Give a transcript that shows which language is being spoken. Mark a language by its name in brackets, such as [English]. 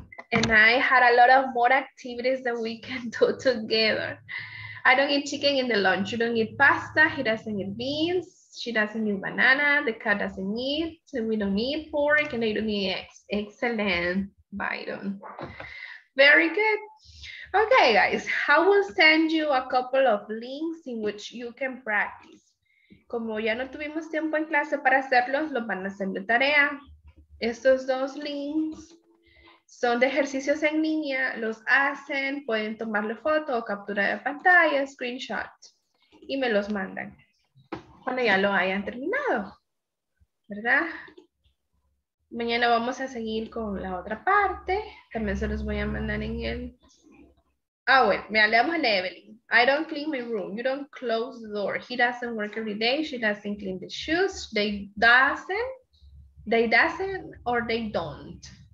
[English] And I had a lot of more activities that we can do together. I don't eat chicken in the lunch. You don't eat pasta. He doesn't eat beans. She doesn't eat banana. The cat doesn't eat. So we don't eat pork and they don't eat eggs. Excellent, Byron. Very good. Okay, guys, I will send you a couple of links in which you can practice. [Spanish] Como ya no tuvimos tiempo en clase para hacerlos, lo van a hacer de tarea. Estos dos links son de ejercicios en línea, los hacen, pueden tomarle foto o captura de pantalla, screenshot, y me los mandan cuando ya lo hayan terminado, ¿verdad? Mañana vamos a seguir con la otra parte, también se los voy a mandar en el... Ah, bueno, me hablamos a Evelyn. [English] I don't clean my room, you don't close the door, he doesn't work every day, she doesn't clean the shoes, they don't.